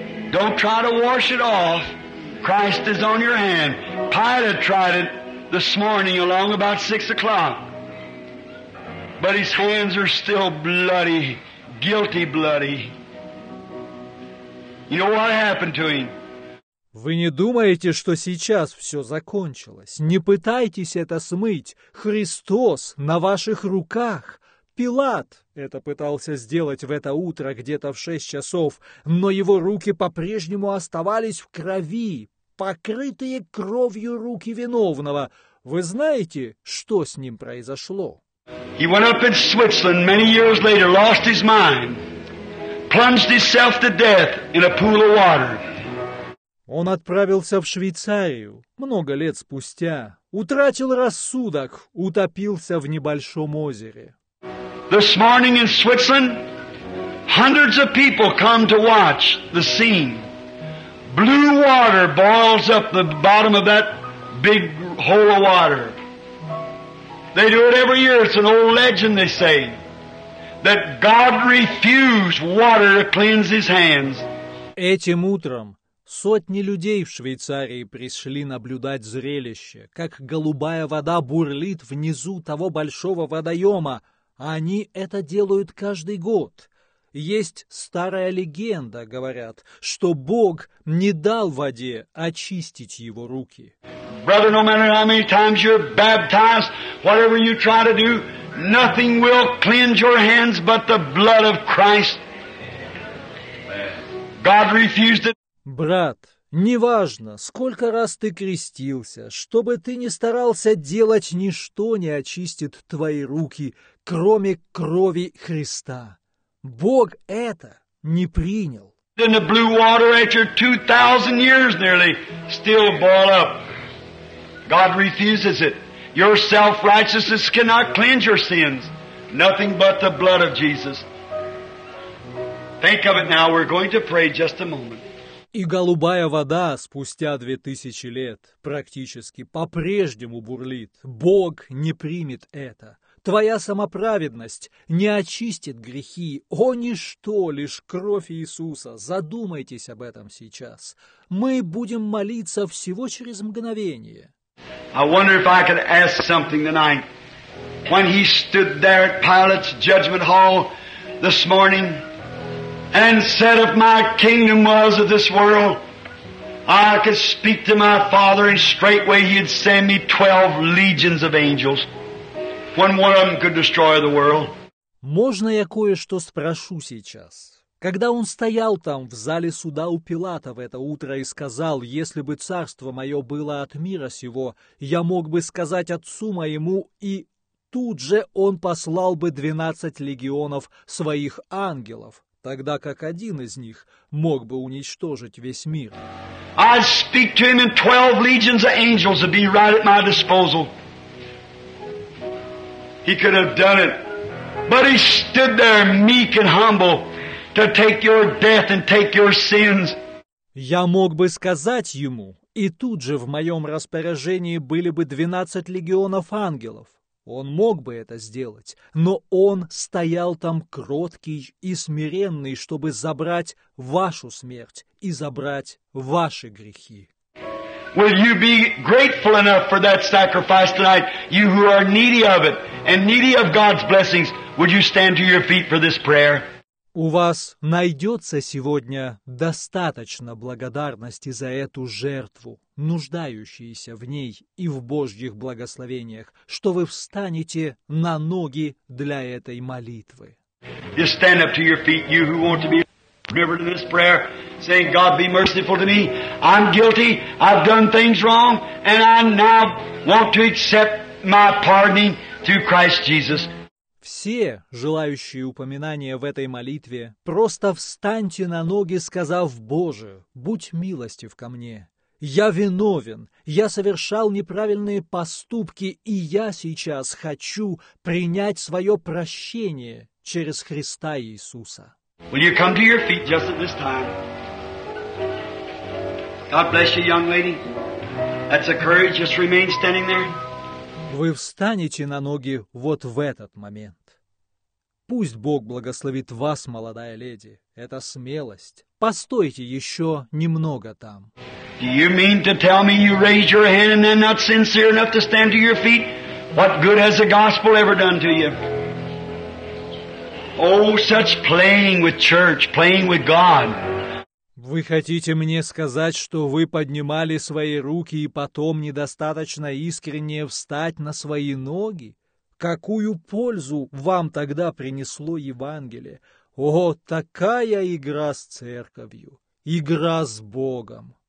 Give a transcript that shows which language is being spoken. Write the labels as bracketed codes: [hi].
[en] Don't try to wash it off. Christ is on your hand. Pilate tried it this morning along about 6 o'clock. But his hands are still bloody, guilty bloody. You know what happened to him? [ru] Вы не думаете, что сейчас все закончилось? Не пытайтесь это смыть. Христос на ваших руках. Пилат это пытался сделать в это утро где-то в 6 часов, но его руки по-прежнему оставались в крови, покрытые кровью руки виновного. Вы знаете, что с ним произошло? [en] He went up in Switzerland many years later, lost his mind, plunged himself to death in a pool of water. [ru] Он отправился в Швейцарию много лет спустя, утратил рассудок, утопился в небольшом озере. [en] This morning in Switzerland, hundreds of people come to watch the scene. Blue water boils up the bottom of that big hole of water. They do it every year. It's an old legend, they say, that God refused water to cleanse his hands. [ru] Этим утром сотни людей в Швейцарии пришли наблюдать зрелище, как голубая вода бурлит внизу того большого водоема. Они это делают каждый год. Есть старая легенда, говорят, что Бог не дал воде очистить его руки. [en] Brother, no matter how many times you're baptized, whatever you try to do, nothing will cleanse your hands but the blood of Christ. God refused it. [ru] Брат, Неважно, сколько раз ты крестился, чтобы ты не старался делать, ничто не очистит твои руки, кроме крови Христа. Бог это не принял. [en] Then the blue water after 2,000 years nearly still boil up. God refuses it. Your self-righteousness cannot cleanse your sins. Nothing but the blood of Jesus. Think of it now. We're going to pray just a moment. [ru] И голубая вода спустя 2000 лет практически по-прежнему бурлит. Бог не примет это. Твоя самоправедность не очистит грехи. О, ничто, лишь кровь Иисуса. Задумайтесь об этом сейчас. Мы будем молиться всего через мгновение. [en] I wonder if I could ask something tonight. When he stood there at Pilate's judgment hall this morning and said, if my kingdom was of this world, I could speak to my Father and straightway he'd send me 12 legions of angels. When one of them could destroy the world. [ru] Можно я кое-что спрошу сейчас? Когда он стоял там в зале суда у Пилата в это утро и сказал, если бы царство мое было от мира сего, я мог бы сказать отцу моему, и тут же он послал бы 12 легионов своих ангелов, тогда как один из них мог бы уничтожить весь мир. [en] I speak to him in 12 legions of angels to be right at my disposal. He could have done it, but he stood there meek and humble to take your death and take your sins. [ru] Я мог бы сказать ему, и тут же в моем распоряжении были бы 12 легионов ангелов. Он мог бы это сделать, но он стоял там кроткий и смиренный, чтобы забрать вашу смерть и забрать ваши грехи. [en] Will you be grateful enough for that sacrifice tonight, you who are needy of it and needy of God's blessings? Would you stand to your feet for this prayer? [ru] У вас найдется сегодня достаточно благодарности за эту жертву, нуждающиеся в ней и в Божьих благословениях, что вы встанете на ноги для этой молитвы. [en] Just stand up to your feet, you who want to be remembered in this prayer, saying, God, be merciful to me. I'm guilty. I've done things wrong. And I now want to accept my pardoning through Christ Jesus. [ru] Все, желающие упоминания в этой молитве, просто встаньте на ноги, сказав, Боже, будь милостив ко мне. Я виновен, я совершал неправильные поступки, и я сейчас хочу принять свое прощение через Христа Иисуса. [en] Will you come to your feet just at this time? God bless you, young lady. That's a courage. Just remain standing there. [ru] Вы встанете на ноги вот в этот момент. Пусть Бог благословит вас, молодая леди. Это смелость. Постойте еще немного там. [en] Do you mean to tell me you raise your hand and then not sincere enough to stand to your feet? What good has the gospel ever done to you? Oh, such playing with church, playing with God. [ru] Вы хотите мне сказать, что вы поднимали свои руки и потом недостаточно искренне встать на свои ноги? Какую пользу вам тогда принесло Евангелие? О, такая игра с церковью, игра с Богом.